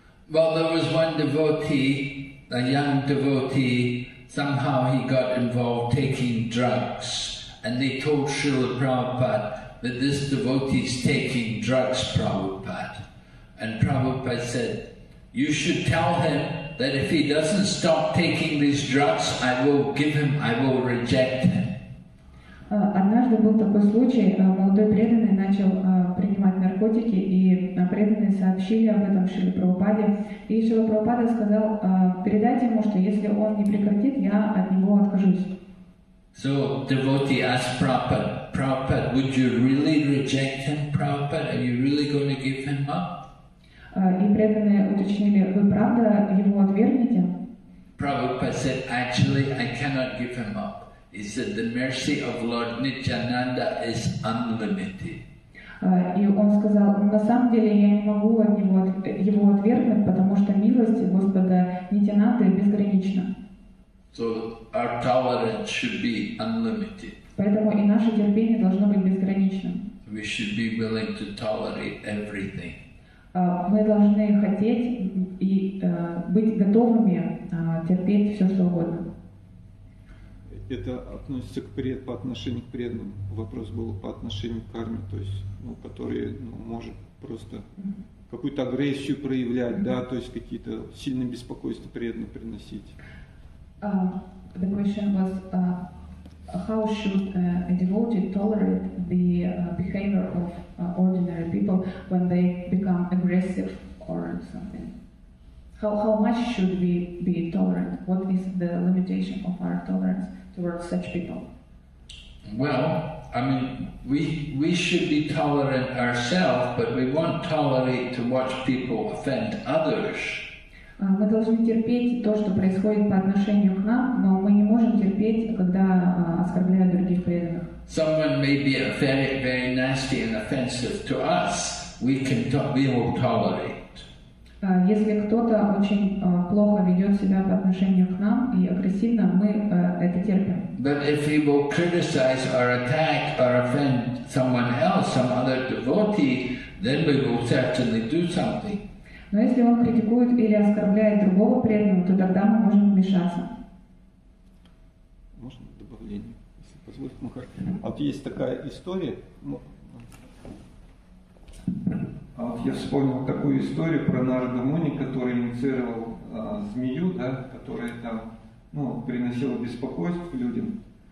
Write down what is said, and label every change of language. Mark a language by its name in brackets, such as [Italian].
[English] Well, there was one devotee, a young devotee, somehow he got involved taking drugs, and they told Srila Prabhupada that this devotee is taking drugs, Prabhupada. And Prabhupada said, you should tell him that if he doesn't stop taking these drugs, I will reject him. [Russian] Однажды был такой случай, молодой преданный начал принимать наркотики, и преданные сообщили об этом Шриле Прабхупаде. И Шрила Прабхупада сказал, передайте ему, что если он не прекратит, я от него откажусь. [English] So devotee asked Prabhupada, would you really reject him, Prabhupada? Are you really going to give him up? [Russian] И преданные уточнили, вы правда его отвергнете? [English] Prabhupada said, actually, I cannot give him up. He said, the mercy of Lord Nityananda is unlimited. [Russian] И он сказал, на самом деле я не могу его отвергнуть, потому что милость Господа Нитянанды безгранична. [English] So our tolerance should be unlimited. [Russian] Поэтому и наше терпение должно быть безграничным. [English] We should be willing to tolerate everything. [Russian] Мы должны хотеть и быть готовыми терпеть все, что угодно. Это относится по отношению к преданным. Вопрос был по отношению к карме, то есть, ну, который, ну, может просто какую-то агрессию проявлять, mm-hmm. да, то есть какие-то сильные беспокойства преданно приносить. [English] The question was, how should a devotee tolerate the behavior of ordinary people when they become aggressive or something? How much should we be tolerant? What is the limitation of our tolerance towards such people? Well, I mean, we should be tolerant ourselves, but we won't tolerate to watch people offend others. [Russian] Мы должны терпеть то, что происходит по отношению к нам, но мы не можем терпеть, когда оскорбляют других преданных. [English] Someone may be very, very nasty and offensive to us. We will tolerate. [Russian] Если кто-то очень плохо ведет себя по отношению к нам и агрессивно, мы это терпим. [English] But if he will criticize or attack or offend someone else, some other devotee, then we will certainly do something. [Russian] Но если он критикует или оскорбляет другого преданного, то тогда мы можем вмешаться. Можно добавление, если позволит Махар. А вот есть такая история. А вот я вспомнил такую историю про Нарада Муни, который инициировал змею, да, которая там, ну, приносила беспокойство людям.